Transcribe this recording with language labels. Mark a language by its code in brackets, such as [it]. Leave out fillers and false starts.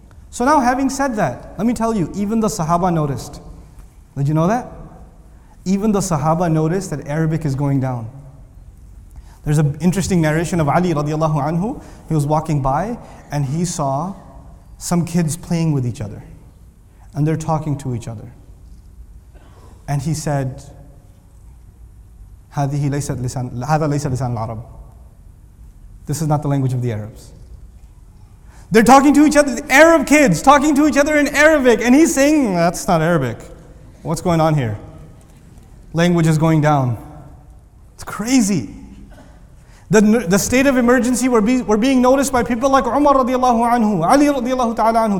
[en] So now, having said that, let me tell you, even the Sahaba noticed. Did you know that? Even the Sahaba noticed that Arabic is going down. There's an interesting narration of Ali radiallahu anhu. He was walking by and he saw some kids playing with each other. And they're talking to each other. And he said, [ar] هذا ليس لسان العرب. [en] This is not the language of the Arabs. They're talking to each other, the Arab kids talking to each other in Arabic. And he's saying, that's not Arabic. What's going on here? Language is going down. It's crazy. The state of emergency were being noticed by people like Umar radiallahu anhu, Ali radiallahu ta'ala anhu.